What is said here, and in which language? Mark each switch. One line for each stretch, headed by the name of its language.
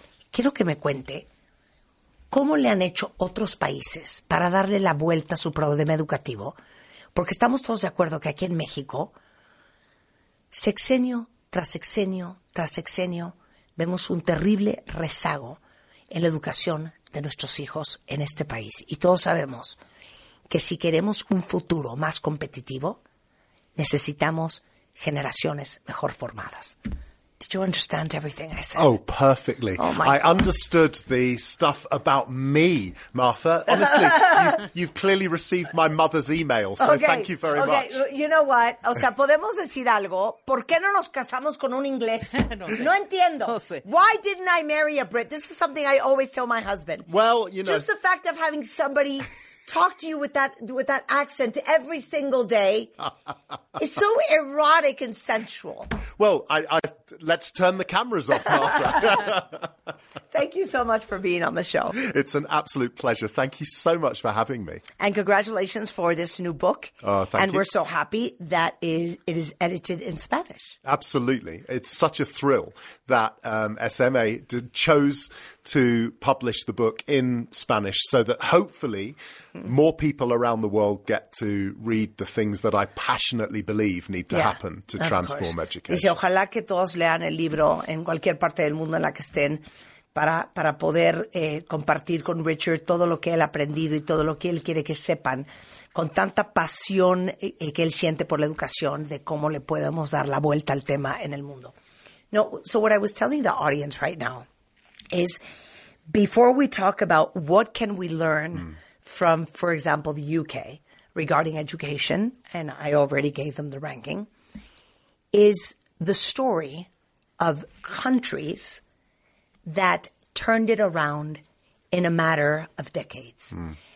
Spanish: Quiero que me cuente cómo le han hecho otros países para darle la vuelta a su problema educativo, porque estamos todos de acuerdo que aquí en México, sexenio tras sexenio tras sexenio, vemos un terrible rezago en la educación de nuestros hijos en este país. Y todos sabemos que si queremos un futuro más competitivo, necesitamos generaciones mejor formadas.
English: Did you understand everything I said? Oh, perfectly. Oh, my God. I understood the stuff about me, Martha. Honestly, you've clearly received my mother's email, so okay, thank you very okay much. You know what?
Spanish: O sea, ¿podemos decir algo? ¿Por qué no nos casamos con un inglés? No sé. No entiendo. No sé.
English: Why didn't I marry a Brit? This is something I always tell my husband. Well, you know, just the fact of having somebody talk to you with that accent every single day is so erotic and sensual. Well, I let's turn the cameras off, Martha. Thank you so much for being on the show. It's an absolute pleasure. Thank you so much for having me. And congratulations for this new book. Thank you. And we're so happy that it is edited in Spanish. Absolutely. It's such a thrill that SMA chose to publish the book in Spanish so that hopefully more people around the world get to read the things that I passionately believe need to happen to transform education.
Spanish: Dice, ojalá que todos lean el libro en cualquier parte del mundo en la que estén para poder compartir con Richard todo lo que él ha aprendido y todo lo que él quiere que sepan con tanta pasión que él siente por la educación de cómo le podemos dar la vuelta al tema en el mundo.
English: No, so what I was telling the audience right now is before we talk about what can we learn from, for example, the UK regarding education, and I already gave them the ranking, is the story of countries that turned it around in a matter of decades. Mm.